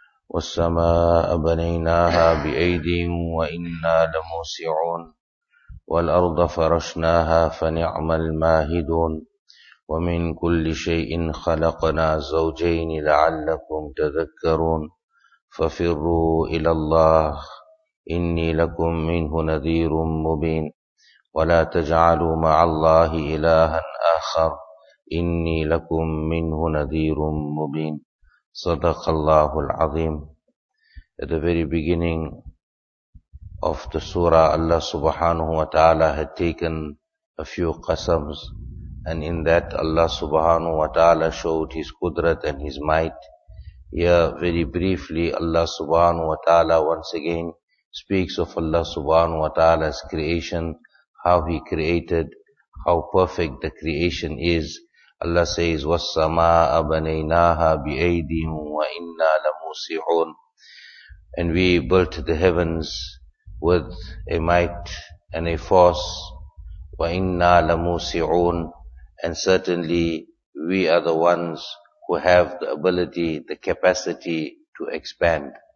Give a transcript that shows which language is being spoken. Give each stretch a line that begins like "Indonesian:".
Arabic: والسماء بنيناها بأيد وإنا لموسعون والأرض فرشناها فنعم الماهدون ومن كل شيء خلقنا زوجين لعلكم تذكرون ففروا إلى الله إني لكم منه نذير مبين ولا تجعلوا مع الله إلها آخر إني لكم منه نذير مبين صدق الله العظيم.
English: At the very beginning of the surah, Allah subhanahu wa ta'ala had taken a few qasams, and in that Allah subhanahu wa ta'ala showed His Qudrat and His might. Here very briefly Allah subhanahu wa ta'ala once again speaks of Allah subhanahu wa ta'ala's creation, how He created, how perfect the creation is. Allah says,
Arabic: وَالسَّمَاءَ بَنَيْنَاهَا بِأَيْدٍ وَإِنَّا لَمُوسِعُونَ.
English: And we built the heavens with a might and a force.
Arabic: وَإِنَّا لَمُوسِعُونَ.
English: And certainly we are the ones who have the ability, the capacity to expand.